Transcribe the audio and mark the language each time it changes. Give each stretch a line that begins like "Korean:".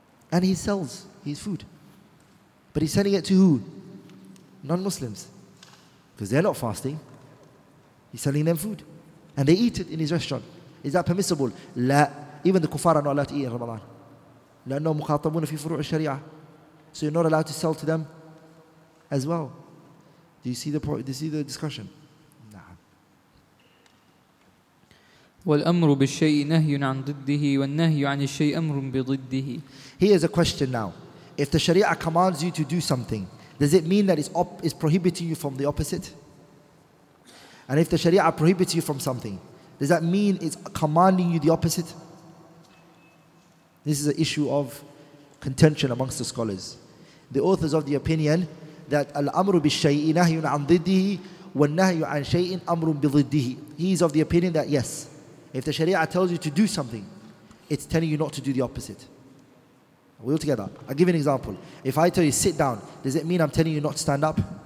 English: And he sells his food. But he's selling it to who? Non-Muslims. Because they're not fasting. He's selling them food. And they eat it in his restaurant. Is that permissible?
Arabic: لا.
English: Even the kuffar are not allowed to eat in Ramadan.
Arabic: لأنه مخاطبون في فروع الشريعة.
English: So you're not allowed to sell to them as well. Do you see the discussion?
Arabic: والأمر بالشيء نهي عن ضده والنهي عن الشيء أمر بضده.
English: Here is a question now. If the Sharia commands you to do something, does it mean that it's prohibiting you from the opposite? And if the Sharia prohibits you from something, does that mean it's commanding you the opposite? This is an issue of contention amongst the scholars. The authors of the opinion that
Arabic: الأمر بالشيء نهي عن ضده والنهي عن شيء أمر بضده.
English: He is of the opinion that yes, if the Sharia tells you to do something, it's telling you not to do the opposite. Are we all together? I'll give you an example. If I tell you sit down, does it mean I'm telling you not to stand up?